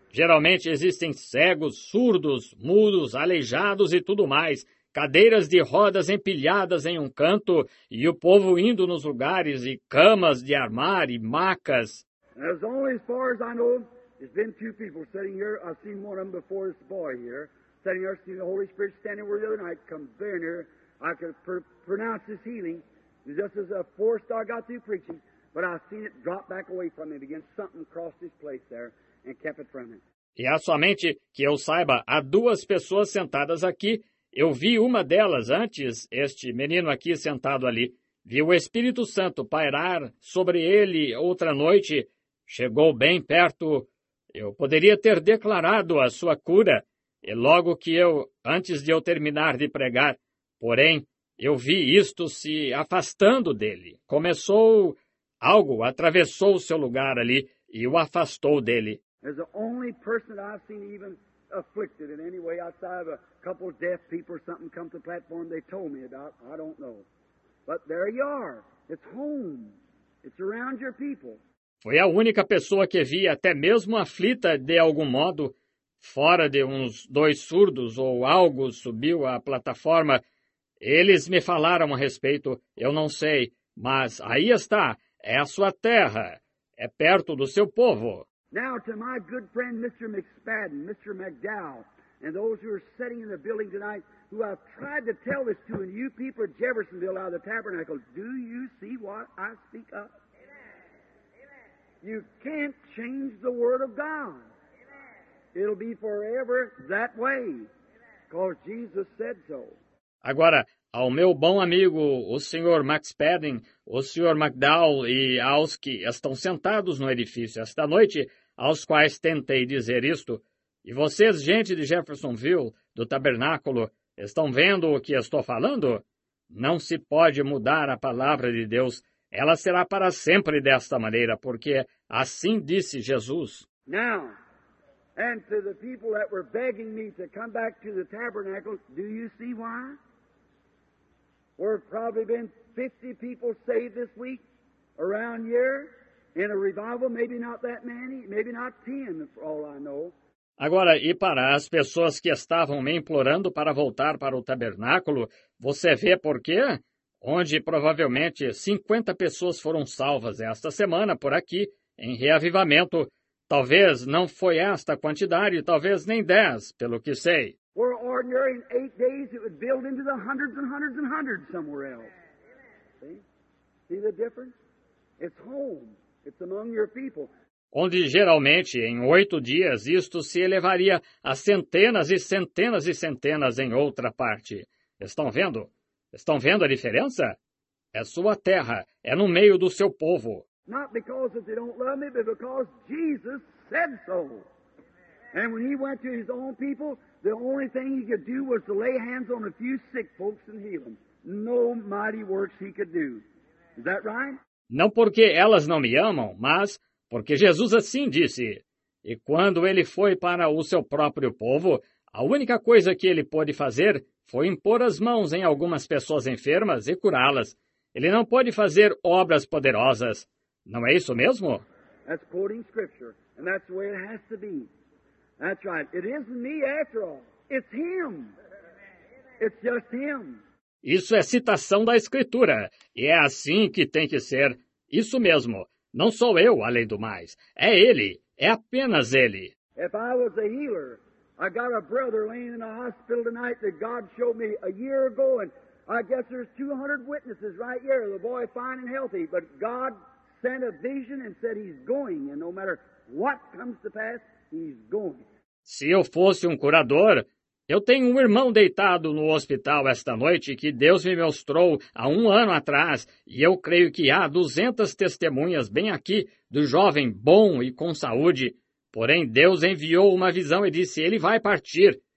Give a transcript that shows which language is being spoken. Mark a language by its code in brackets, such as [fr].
[pt] Geralmente existem cegos, surdos, mudos, aleijados e tudo mais. Cadeiras de rodas empilhadas em canto e o povo indo nos lugares e camas de armar e macas. [en] As only as far as I know, there's been two people sitting here. I've seen one of them before, this boy here, sitting here, seeing the Holy Spirit standing where the other night come very near. I could pronounce his healing. It's just as a force I got through preaching, but I've seen it drop back away from him again. Something crossed his place there and kept it from him. [pt] E há somente que eu saiba, há duas pessoas sentadas aqui. Eu vi uma delas antes, este menino aqui sentado ali. Vi o Espírito Santo pairar sobre ele outra noite. Chegou bem perto. Eu poderia ter declarado a sua cura. E logo que eu, antes de eu terminar de pregar, porém, eu vi isto se afastando dele. Começou algo, atravessou o seu lugar ali e o afastou dele. É a única pessoa que eu vi até afligida em qualquer maneira, [en] outside of a couple of deaf people or something come to the platform they told me about. I don't know. But there you are. It's home. It's around your people. [pt] Foi a única pessoa que vi até mesmo aflita de algum modo, fora de uns dois surdos ou algo subiu à plataforma. Eles me falaram a respeito, eu não sei, mas aí está, é a sua terra, é perto do seu povo. [en] Now to my good friend Mr. McSpadden, Mr. McDowell, and those who are sitting in the building tonight, who I've tried to tell this to, and you people at Jeffersonville out of the tabernacle, do you see what I speak of? You can't change the word of God. Amen. It'll be forever that way. Because Jesus said so. [pt] Agora, ao meu bom amigo, o Sr. Max Padden, o Sr. McDowell e aos que estão sentados no edifício esta noite, aos quais tentei dizer isto, e vocês, gente de Jeffersonville, do tabernáculo, estão vendo o que estou falando? Não se pode mudar a palavra de Deus. Ela será para sempre desta maneira, porque assim disse Jesus. [en] Now, and to the people that were begging me to come back to the tabernacle, do you see why? where probably been 50 people saved this week around here in a revival, maybe not that many, maybe not 10 for all I know. [pt] Agora, e para as pessoas que estavam me implorando para voltar para o tabernáculo, você vê por quê? Onde provavelmente 50 pessoas foram salvas esta semana por aqui, em reavivamento. Talvez não foi esta quantidade, talvez nem 10, pelo que sei. [en] Were ordinary in 8 days, it would build into the hundreds and hundreds and hundreds somewhere else. See the difference? It's home. It's among your people. [pt] Onde geralmente, em 8 dias, isto se elevaria a centenas e centenas e centenas em outra parte. Estão vendo? Estão vendo a diferença? É sua terra, é no meio do seu povo. [en] Not because they don't love me, but because Jesus said so. And when he went to his own people, the only thing he could do was to lay hands on a few sick folks and heal them. No mighty works he could do. Is that right? [pt] Não porque elas não me amam, mas porque Jesus assim disse. E quando ele foi para o seu próprio povo, a única coisa que ele pôde fazer foi impor as mãos em algumas pessoas enfermas e curá-las. Ele não pôde fazer obras poderosas. Não é isso mesmo? [en] That's quoting scripture, and that's the way it has to be. That's right. It isn't me after all. It's him. It's just him. [pt] Isso é citação da escritura, e é assim que tem que ser. Isso mesmo. Não sou eu, além do mais. É ele. É apenas ele. [en] If I was a healer, I got a brother laying in a hospital tonight that God showed me a year ago, and I guess there's 200 witnesses right here, the boy fine and healthy, but God sent a vision and said he's going, and no matter what comes to pass, he's going. [pt] Se eu fosse um curador, eu tenho um irmão deitado no hospital esta noite que Deus me mostrou há um ano atrás, e eu creio que há 200 testemunhas bem aqui do jovem bom e com saúde. Porém, Deus enviou uma visão e disse, ele vai partir.